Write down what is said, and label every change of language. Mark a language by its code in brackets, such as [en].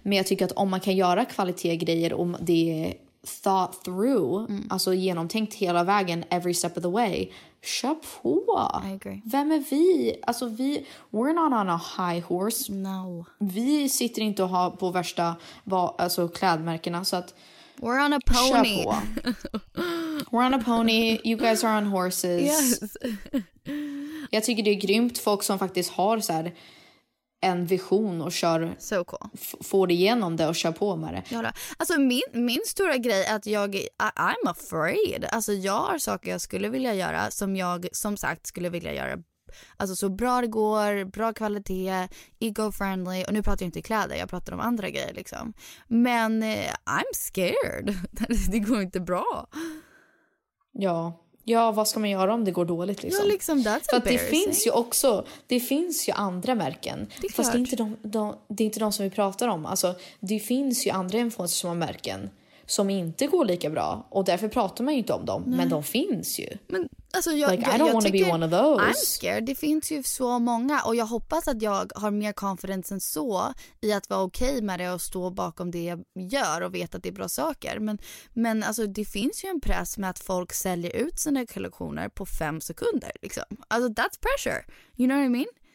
[sv] Men jag tycker att om man kan göra kvalitetsgrejer, om det är thought through, alltså genomtänkt hela vägen, [en] every step of the way, [sv] köp på. [en] I agree. [sv] Vem är vi? Alltså [en] we're not on a high horse. No. [sv] Vi sitter inte och har på värsta alltså klädmärkena, så att [en] we're on a pony. [sv] Köp på. [en] We're on a pony, you guys are on horses. Yes. [sv] Jag tycker det är grymt folk som faktiskt har så här en vision och kör så cool. Får det igenom det och kör på med det. Ja, alltså min stora grej är att jag [en] I'm afraid. [sv] Alltså jag har saker jag skulle vilja göra som jag som sagt skulle vilja göra alltså så bra det går, bra kvalitet, eco-friendly. Och nu pratar jag inte kläder, jag pratar om andra grejer liksom. Men [en] I'm scared. [sv] Det går inte bra. Ja. Ja, vad ska man göra om det går dåligt liksom? Ja, liksom, [en] that's embarrassing. [sv] För det finns ju också, det finns ju andra märken. Det är klart. Fast det är inte det är inte de som vi pratar om. Alltså, det finns ju andra influencers som har märken som inte går lika bra. Och därför pratar man ju inte om dem. Nej. Men de finns ju. Men, alltså, [en] I don't want to be one of those. I'm scared. [sv] Det finns ju så många. Och jag hoppas att jag har mer confidence än så i att vara okej med det och stå bakom det jag gör och veta att det är bra saker. Men alltså, det finns ju en press med att folk säljer ut sina kollektioner på 5 sekunder. Liksom. Alltså, [en] that's pressure. You know what I mean?